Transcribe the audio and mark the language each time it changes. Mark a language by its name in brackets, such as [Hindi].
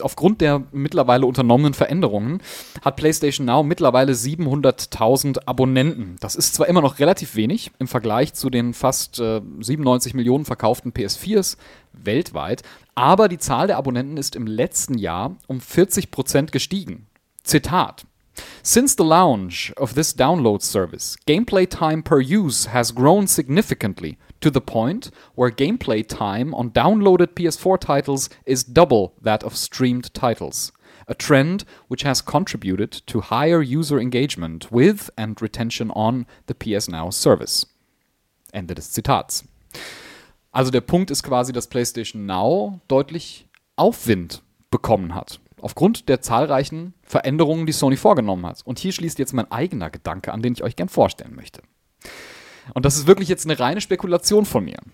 [German] Aufgrund der mittlerweile unternommenen Veränderungen hat PlayStation Now mittlerweile 700.000 Abonnenten. Das ist zwar immer noch relativ wenig im Vergleich zu den fast 97 Millionen verkauften PS4s weltweit, aber die Zahl der Abonnenten ist im letzten Jahr um 40% gestiegen. [English] Zitat: Since the launch of this download service, gameplay time per use has grown significantly to the point where gameplay time on downloaded PS4 titles is double that of streamed titles. A trend which has contributed to higher user engagement with and retention on the PS Now service. [German] Ende des Zitats. Also der Punkt ist quasi, dass PlayStation Now deutlich Aufwind bekommen hat. Aufgrund der zahlreichen Veränderungen, die Sony vorgenommen hat. Und hier schließt jetzt mein eigener Gedanke an, den ich euch gern vorstellen möchte. Und das ist wirklich jetzt eine reine Spekulation von mir.